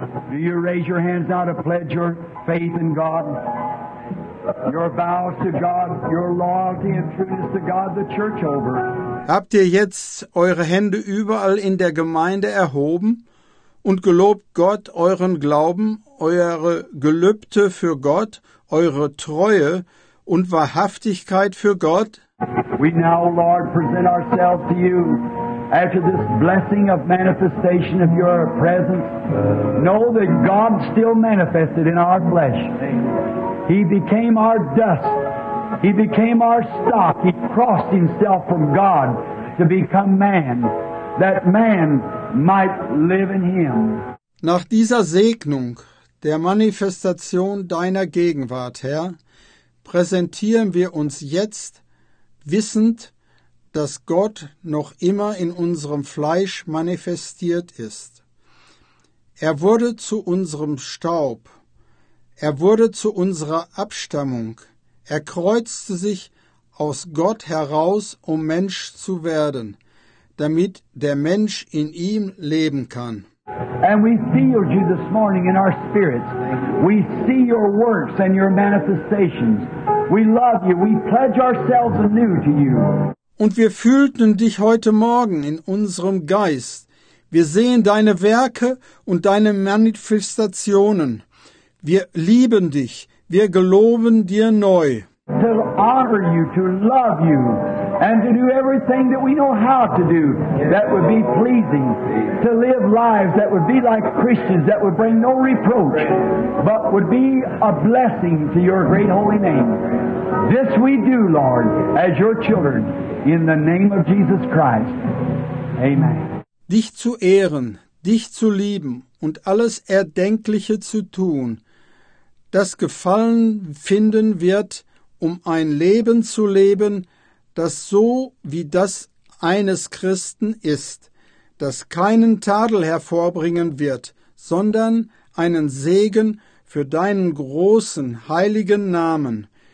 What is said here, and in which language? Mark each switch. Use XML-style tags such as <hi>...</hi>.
<en>Do you raise your hands now to pledge your faith in God? Your vows to God, your loyalty and trueness to God, the church over.</en> <de>Habt ihr jetzt eure Hände überall in der Gemeinde erhoben und gelobt Gott euren Glauben, eure Gelübde für Gott, eure Treue und Wahrhaftigkeit für Gott?</de> <en>We now, Lord, present ourselves to you after this blessing of manifestation of your presence. Know that God still manifested in our flesh. He became our dust. He became our stock. He crossed himself from God to become man, that man might live in him.</en> <de>Nach dieser Segnung der Manifestation deiner Gegenwart, Herr, präsentieren wir uns jetzt, wissend, dass Gott noch immer in unserem Fleisch manifestiert ist. Er wurde zu unserem Staub. Er wurde zu unserer Abstammung. Er kreuzte sich aus Gott heraus, um Mensch zu werden, damit der Mensch in ihm leben kann.</de> <en>And we feel you this morning in our spirits. We see your works and your manifestations. We love you. We pledge ourselves anew to you.</en> <de>Und wir fühlten dich heute Morgen in unserem Geist. Wir sehen deine Werke und deine Manifestationen. Wir lieben dich, wir geloben dir neu.</de> <en>To honor you, to love you, and to do everything that we know how to do, that would be pleasing. To live lives that would be like Christians, that would bring no reproach, but would be a blessing to your great holy name. This we do, Lord, as your children, in the name of Jesus Christ. Amen.</en> <de>Dich zu ehren, dich zu lieben und alles Erdenkliche zu tun, das Gefallen finden wird, um ein Leben zu leben, das so wie das eines Christen ist, das keinen Tadel hervorbringen wird, sondern einen Segen für deinen großen, heiligen Namen.</de>